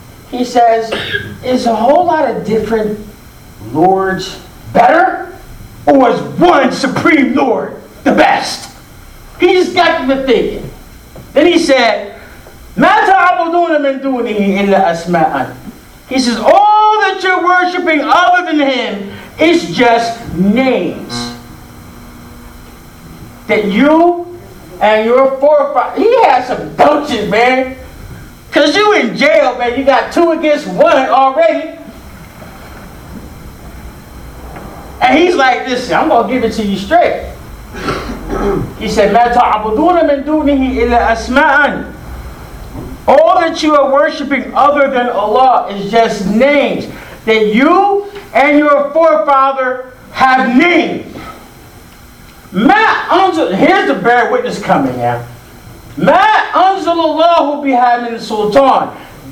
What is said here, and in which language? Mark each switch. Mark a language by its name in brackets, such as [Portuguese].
[English] He says, is a whole lot of different lords better? Or was one supreme lord the best? He just got to the thinking. Then he said, [Arabic] مَا تَعْبُدُونَ مِنْ دُونِهِ إِلَّا أَسْمَاءً. [English] He says, all that you're worshiping other than him is just names. That you and your forefathers, he had some dunces, man. Because you in jail, man, you got two against one already. And he's like, listen, I'm going to give it to you straight. He said, [Arabic] مَا تَعْبُدُونَ مِنْ دُونِهِ إِلَّا أَسْمَاءً. [English] All that you are worshiping other than Allah is just names. That you and your forefather have named. [Arabic] مَا أَنزَلُ. [English] Here's the bear witness coming out. [Arabic] مَا أَنزَلُ اللَّهُ بِهَا مِنْ سُلْطَانِ.